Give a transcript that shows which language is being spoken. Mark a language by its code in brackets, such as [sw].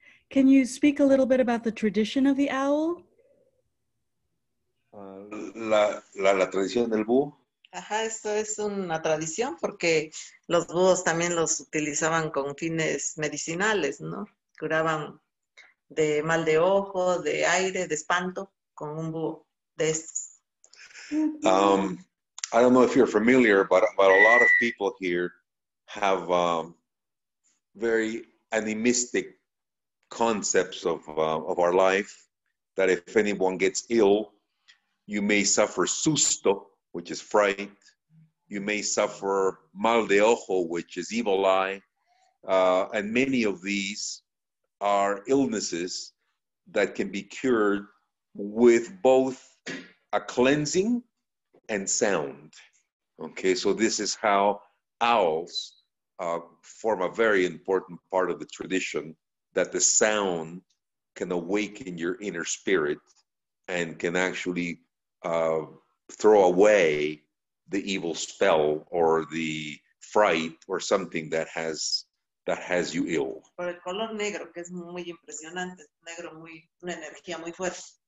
[en] Can you speak a little bit about the tradition of the owl? [es] La tradición del búho. Ajá, esto es una tradición porque los búhos también los utilizaban con fines medicinales, ¿no? Curaban de mal de ojo, de aire, de espanto con un búho de estos. [en] I don't know if you're familiar, but a lot of people here have very animistic concepts of our life, that if anyone gets ill, you may suffer susto, which is fright. You may suffer mal de ojo, which is evil eye. And many of these are illnesses that can be cured with both a cleansing and sound. Okay, so this is how owls form a very important part of the tradition, that the sound can awaken your inner spirit and can actually throw away the evil spell or the fright or something that has you ill. [es] Por el color negro, que es muy impresionante, negro, muy, una energía muy fuerte.